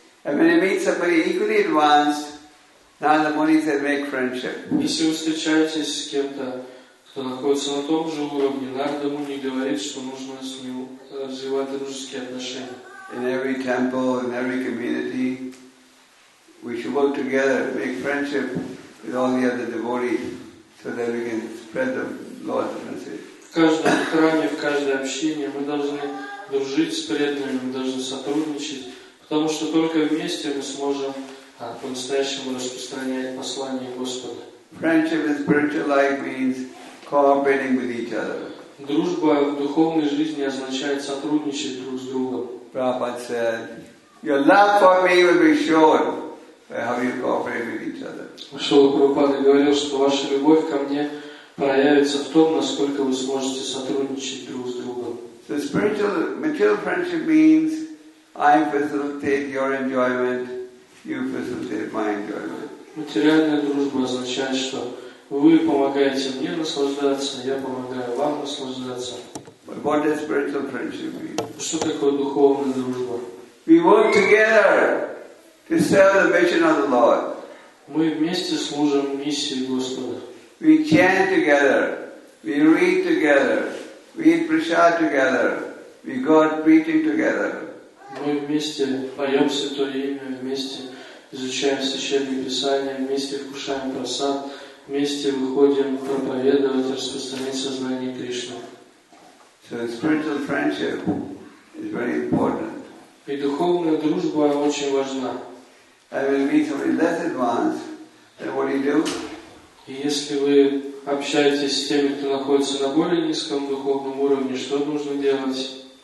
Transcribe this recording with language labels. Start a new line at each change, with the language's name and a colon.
English: And when you meet somebody equally advanced, now the money says make friendship.
Russian: Если вы встречаетесь с кем-то, кто находится на том же уровне, Нарада Муни говорит, что нужно с ним развивать дружеские отношения.
English: In every temple, in every community, we should work together, make friendship with all the other devotees. So that we can spread the Lord's message.
Russian: В каждом храме, в каждой общине мы должны дружить с преданными, мы должны сотрудничать, потому что только вместе мы сможем по-настоящему распространять послание Господа.
English: Friendship in spiritual life means cooperating with each other.
Russian: Дружба в духовной жизни означает сотрудничать друг с другом.
English: Prabhupada said, "Your love for me will be shown by how you cooperate with each other."
Russian: Шрила Прабхупада говорил, что ваша любовь ко мне проявится в том, насколько вы сможете сотрудничать друг с другом.
English: So spiritual, material friendship means I facilitate your enjoyment, you facilitate my enjoyment.
Russian: Материальная дружба означает, что вы помогаете мне наслаждаться, я помогаю вам наслаждаться.
English: But what does spiritual friendship mean?
Russian: Что такое духовная дружба?
English: We work together to serve the mission of the Lord.
Russian: Мы вместе служим миссии Господа.
English: We chant together, we read together, we eat prasad together, we go out preaching together.
Russian: Мы вместе поем Святое Имя, вместе изучаем Священные Писания, вместе вкушаем прасад, вместе выходим проповедовать, распространять сознание Кришны.
English: So spiritual friendship is very important.
Russian: И духовная дружба очень важна.
English: I will meet somebody less advanced, then what do you do?
Russian: И если вы общаетесь с теми, кто находится на более низком духовном уровне, что нужно делать?